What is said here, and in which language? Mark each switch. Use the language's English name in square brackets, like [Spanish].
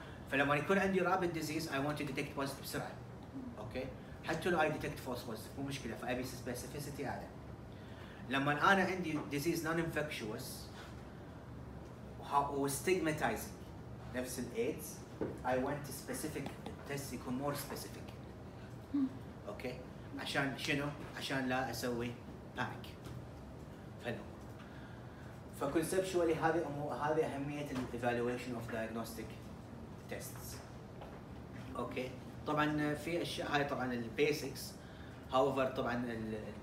[Arabic] فلما يكون عندي [English] rabid disease, I want to detect positive [Arabic] بسرعة, [English] okay? [Arabic] حتى لو [English] I detect false positive, [Arabic] مو مشكلة. فأبي specificity هذا. لما أنا عندي [English] disease non-infectious, how stigmatizing. [Arabic] نفس الايدز [English] I want a specific test [Arabic] يكون [English] more specific okay [Arabic] عشان شنو عشان لا اسوي panic فconceptually هذه اهمية الـ [English] evaluation of diagnostic tests okay [Arabic] طبعا في اشياء هاي طبعا الـ basics however طبعا الـ